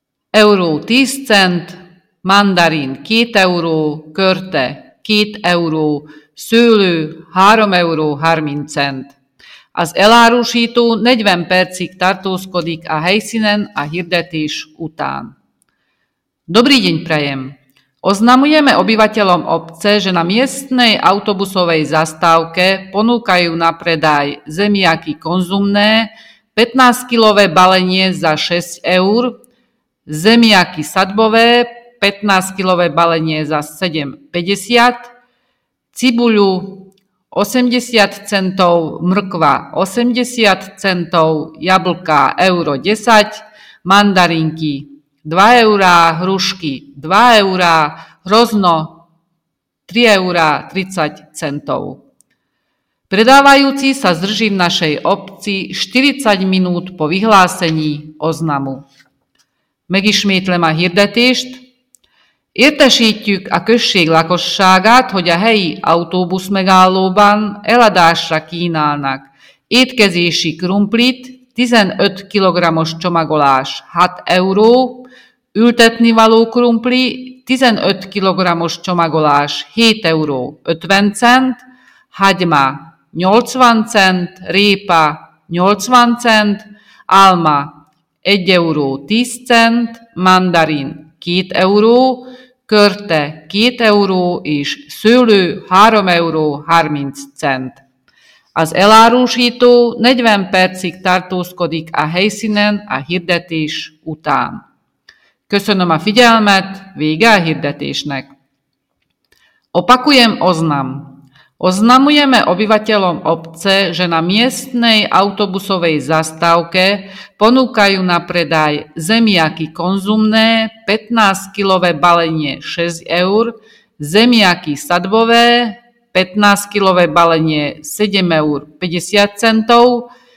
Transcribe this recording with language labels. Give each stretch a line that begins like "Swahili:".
Hungarian: euró 10 cent, mandarin 2 euró, körte 2 euró, szőlő 3 euró 30 cent. Az elárusító 40 percig tartózkodik a helyszínen a hirdetés után.
Slovak: Dobrý deň prajem. Oznamujeme obyvateľom obce, že na miestnej autobusovej zastávke ponúkajú na predaj zemiaky konzumné, 15-kilové balenie za 6 eur, zemiaky sadbové, 15-kilové balenie za 7,50, cibuľu 80 centov, mrkva 80 centov, jablka euro 10, mandarinky 2 eurá, hrušky 2 eurá, hrozno 3 eurá 30 centov. Predávajúci sa zdrží v našej obci 40 minút po vyhlásení oznamu.
Hungarian: Megismétlem a hirdetést. Értesítjük a község lakosságát, hogy a helyi autóbusz megállóban eladásra kínálnak étkezési krumplit, 15 kg-os csomagolás 6 euró, ültetnivaló krumpli 15 kg-os csomagolás 7 euró 50 cent, hagyma 80 cent, répa 80 cent, álma 1 euró 10 cent, mandarin 2 euró, körte 2 euró és szőlő 3 euró 30 cent. Az elárusító 40 percig tartózkodik a helyszínen a hirdetés után. Köszönöm a figyelmet, vége a hirdetésnek.
Slovak: Opakujem oznam. Oznamujeme obyvateľom obce, že na miestnej autobusovej zastávke ponúkajú na predaj zemiaky konzumné, 15-kilové balenie 6 eur, zemiaky sadbové, 15-kilové balenie 7 eur 50 centov,